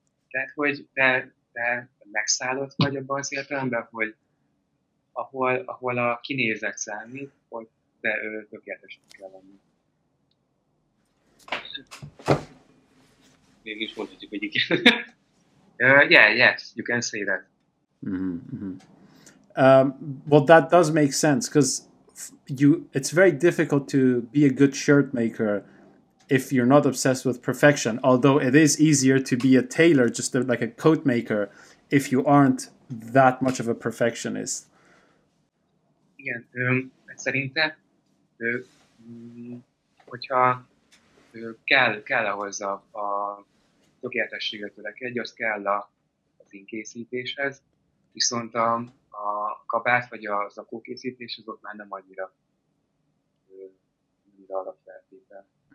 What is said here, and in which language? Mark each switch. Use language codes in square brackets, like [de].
[hu] Tehát, hogy te megszállott vagy abban az értelemben, hogy ahol a kinézet számít, hogy te tökéletesnek kell lenni. Mégis mondhatjuk, hogy igen. [en] Yes, you can say that. Well, that does make sense, because it's very difficult to be a good shirt maker if you're not obsessed with perfection, although it is easier to be a tailor, just like a coat maker, if you aren't that much of a perfectionist. [hu] Igen, szerintem, hogyha kell ahhoz a tökéletességre törekedj, az kell az inkészítéshez, viszont a kabát vagy az akókészítés az ott már nem annyira alapfeltétel.